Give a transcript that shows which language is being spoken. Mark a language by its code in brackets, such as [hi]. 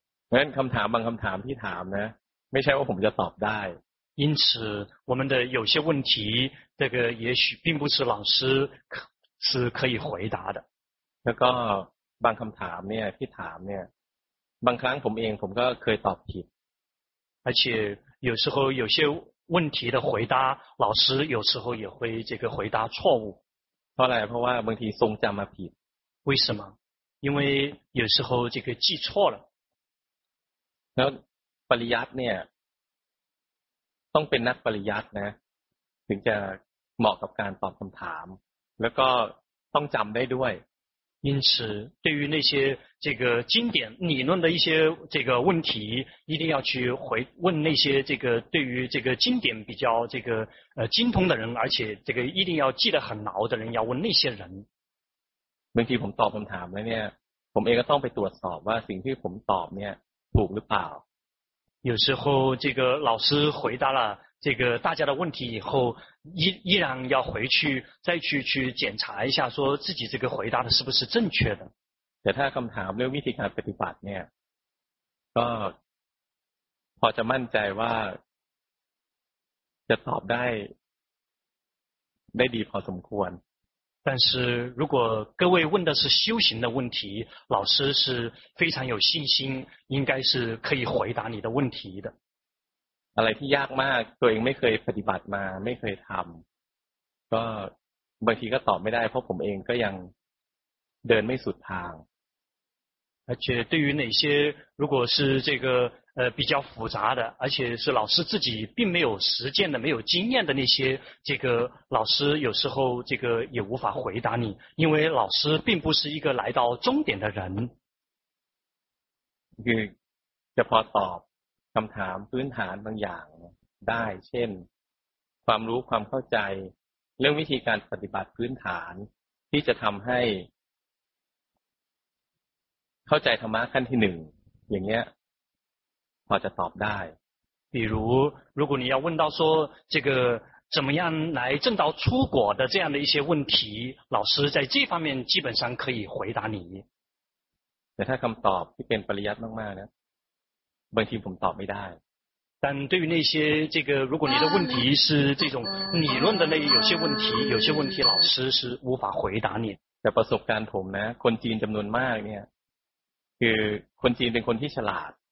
[th] 那คำถามบางคำถามที่ถามนะไม่ใช่ว่าผมจะตอบได้。 [zh] 因此，我们的有些问题，这个也许并不是老师是可以回答的。 [th] แล้วก็บางคำถามเนี่ยที่ถามเนี่ยบางครั้งผมเองผมก็เคยตอบผิด。 [zh] 而且有时候有些问题的回答，老师有时候也会这个回答错误。 [th] เพราะอะไรเพราะว่าบางทีทรงจำมาผิด。 [zh] 为什么？因为有时候这个记错了。 [th] แล้วปริยัติเนี่ยต้องเป็นนักปริยัตินะถึงจะเหมาะกับการตอบคำถามแล้วก็ต้องจำได้ด้วย。 [zh] 因此，对于那些这个经典理论的一些这个问题，一定要去回问那些这个对于这个经典比较这个精通的人，而且这个一定要记得很牢的人，要问那些人。问题，我答 [th] คำถามแล้วเนี่ย，ผมเองก็ต้องไปตรวจสอบว่าสิ่งที่ผมตอบเนี่ยถูกหรือเปล่า。 [zh] 有时候，这个老师回答了这个大家的问题以后，依然要回去再去检查一下，说自己这个回答的是不是正确的。 [th] แต่ถ้าคำถามเรื่องวิธีการปฏิบัติเนี่ยก็พอจะมั่นใจว่าจะตอบได้ดีพอสมควร [zh] 但是如果各位问的是修行的问题，老师是非常有信心，应该是可以回答你的问题的。 [th] อะไรที่ยากมากตัวเองไม่เคยปฏิบัติมาไม่เคยทำก็บางทีก็ตอบไม่ได้เพราะผมเองก็ยังเดินไม่สุดทาง [zh] 而且对于哪些如果是这个比较复杂的而且是老师自己并没有实践的没有经验的那些这个老师有时候这个也无法回答你因为老师并不是一个来到终点的人 [th] คือจะพอตอบคำถามพื้นฐานบางอย่างได้เช่นความรู้ความเข้าใจเรื่องวิธีการปฏิบัติพื้นฐานที่จะทำให้ ข้าใจธรรมะขั้นที่หนึ่งอย่างเงี้ยพอจะตอบได้ [zh] 比如如果你要问到说这个怎么样来证到初果的这样的一些问题老师在这方面基本上可以回答你 [th] แต่ถ้าคำตอบที่เป็นปริยัติมากๆนะบางทีผมตอบไม่ได้ [zh] 但对于那些这个，如果你的问题是这种理论的那有些问题，有些问题老师是无法回答你。 [th] แต่ประสบการณ์ผมนะคนจีนจำนวนมากเนี่ยคือคนจีนเป็นคนที่ฉลาด。